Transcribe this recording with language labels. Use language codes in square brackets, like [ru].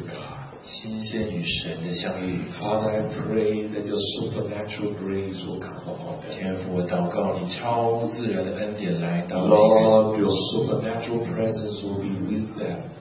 [en] Father, I pray that your supernatural grace will come upon them. [zh] 天父，我祷告你超自然的恩典来到。 [en] Lord, your supernatural presence will be with them.